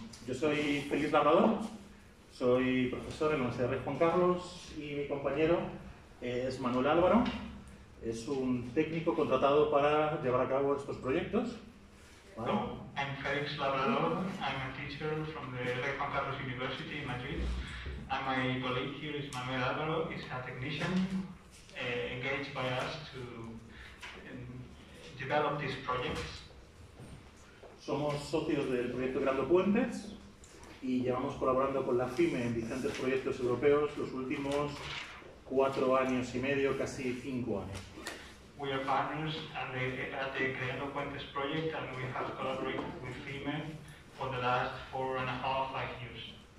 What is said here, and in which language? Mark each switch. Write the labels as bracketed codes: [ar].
[es] Yo soy Félix Labrador, soy profesor en la Universidad Rey Juan Carlos y mi compañero es Manuel Álvaro. Es un técnico contratado para llevar a cabo estos proyectos. Bueno. [en] I'm Félix Labrador. I'm a teacher from the Rey Juan Carlos University in Madrid. And my colleague here is Manuel Álvaro. He's a technician engaged by us to develop these projects. [es] Somos socios del proyecto Creando Puentes y llevamos colaborando con la FIME en diferentes proyectos europeos los últimos 4 años y medio, casi 5 años. [en] We are partners at the Creando Puentes project and we have collaborated with FIME for the last 4.5 years.